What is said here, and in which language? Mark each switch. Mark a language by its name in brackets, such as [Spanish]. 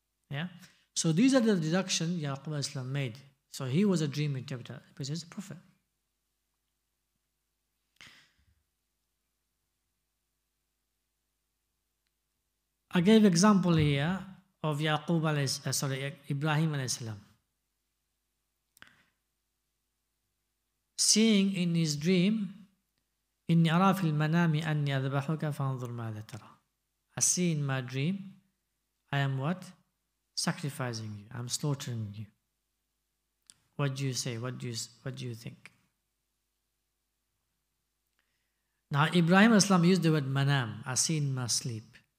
[English] Yeah? So these are the deductions Yaqub al-Islam made. So he was a dream interpreter, because he's a prophet. I gave example here of Yaqub Ibrahim al-Islam. Seeing in his dream, [Arabic] إِنِّي أَرَى فِي الْمَنَامِ أَنِّي أَذْبَحُكَ فَانْظُرْ مَاذَا تَرَى. [English] I see in my dream, I am what? Sacrificing you. I'm slaughtering you. What do you say? What do you think? Now, Ibrahim Aslam used the word manam, I see in my sleep.